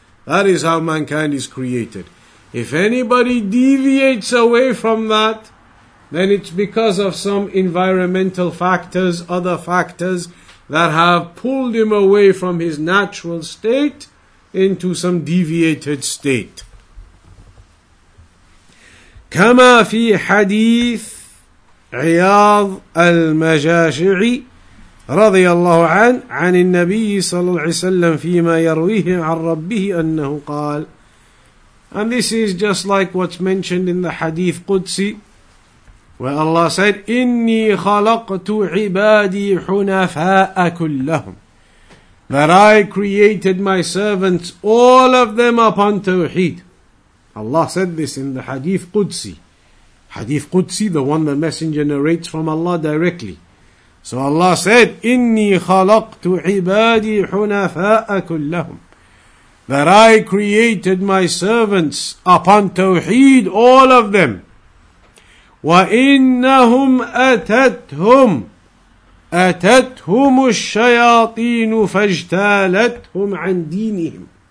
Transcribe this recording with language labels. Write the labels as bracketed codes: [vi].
[en] That is how mankind is created. If anybody deviates away from that, then it's because of some environmental factors, other factors that have pulled him away from his natural state into some deviated state. [ar] كما في حديث عياض المجاشعي رضي الله عنه عن النبي صلى الله عليه وسلم فيما يرويه عن ربه أنه قال. [en] And this is just like what's mentioned in the hadith Qudsi, where Allah said, [ar] إني خلقت عبادي حنفاء كلهم. [en] That I created my servants, all of them upon Tawheed. Allah said this in the hadith Qudsi. Hadith Qudsi, the one the messenger narrates from Allah directly. So Allah said, [ar] إني خلقت عبادي حنفاء كلهم. [en] That I created my servants upon Tawheed, all of them. [ar] وَإِنَّهُمْ أَتَتْهُمْ أَتَتْهُمُ الشَّيَاطِينُ فَاجْتَالَتْهُمْ عَنْ دِينِهِمْ.